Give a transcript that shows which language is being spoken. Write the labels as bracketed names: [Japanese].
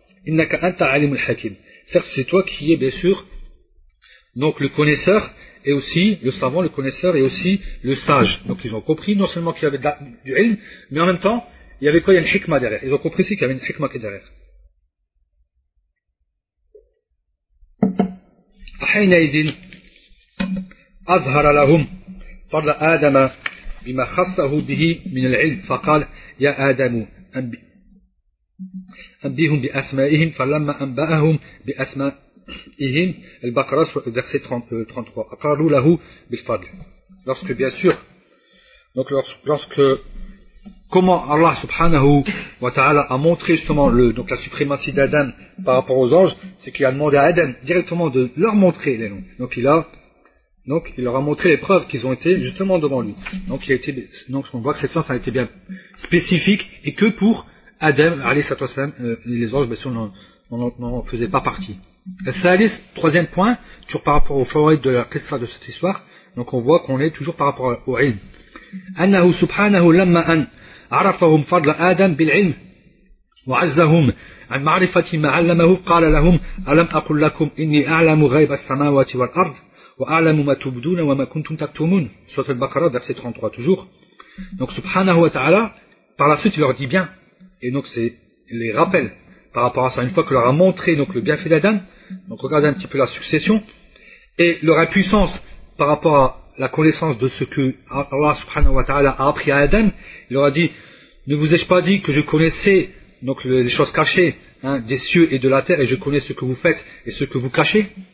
[Arabic] Innaka anta alimul hakim. [French] Certes, c'est toi qui es bien sûr, donc le connaisseur, et aussi le savant, le connaisseur, et aussi le sage. Donc ils ont compris, non seulement qu'il y avait du ilm, mais en même temps, il y avait quoi? Il y a une hikmah derrière. Ils ont compris aussi qu'il y avait une hikmah qui est derrière. [Arabic] Ahaynaïdin أظهر لهم فضل آدم بما خصه به من العلم فقال يا آدم أنبئهم بأسمائهم فلما أنبأهم بأسمائهم البقرة verset 33 أقروا له بالفضل. [French] Lorsque bien sûr, donc lorsque comment Allah subhanahu wa ta'ala a montré justement le, donc la suprématie d'Adam par rapport aux anges, c'est qu'il a demandé à Adam directement de leur montrer les noms. Donc il a Donc, il leur a montré les preuves qu'ils ont été justement devant lui. Donc, il a été, donc on voit que cette science a été bien spécifique et que pour Adam, alayhi salatu wassalam, les anges, bien sûr, n'en faisaient pas partie. Et ça, allez, troisième point, toujours par rapport au favorite de la qissa de cette histoire. Donc, on voit qu'on est toujours par rapport au ilm. [Arabic] Annahu subhanahu lamma an arafahum fadla Adam bil ilm wa azzahum. عن معرفة ما علمه قال لهم ألم أقل لكم إني أعلم غيب السماوات والأرض وأعلم ما تبدون وما كنتم تكتمون. [French] Sourate al-Baqara, verset 33, toujours. Donc, subhanahu wa ta'ala, par la suite, il leur dit bien. Et donc, c'est les rappels par rapport à ça. Une fois qu'il leur a montré donc, le bienfait d'Adam, donc regardez un petit peu la succession, et leur impuissance par rapport à la connaissance de ce que Allah subhanahu wa ta'ala a appris à Adam, il leur a dit, ne vous ai-je pas dit que je connaissais donc les choses cachées hein, des cieux et de la terre, et je connais ce que vous faites et ce que vous cachez.